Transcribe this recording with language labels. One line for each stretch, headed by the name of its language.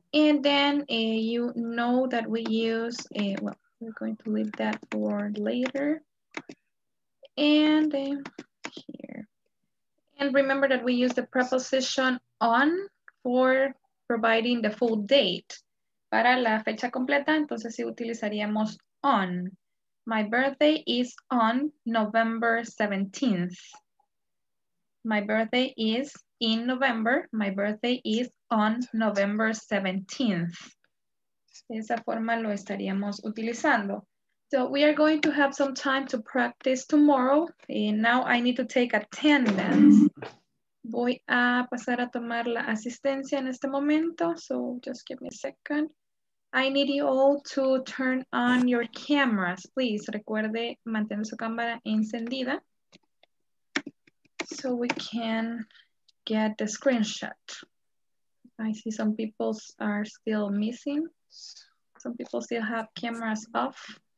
English: And then you know that we use, we're going to leave that for later. And here. And remember that we use the preposition on for providing the full date.
Spanish: Para la fecha completa, entonces sí utilizaríamos on.
English: My birthday is on November 17th. My birthday is in November. My birthday is on November 17th.
Spanish: De esa forma lo estaríamos utilizando.
English: So we are going to have some time to practice tomorrow. And now I need to take attendance.
Spanish: Voy a pasar a tomar la asistencia en este momento.
English: So just give me a second. I need you all to turn on your cameras, please.
Spanish: Recuerde mantener su cámara encendida
English: so we can get the screenshot. I see some people are still missing. Some people still have cameras off.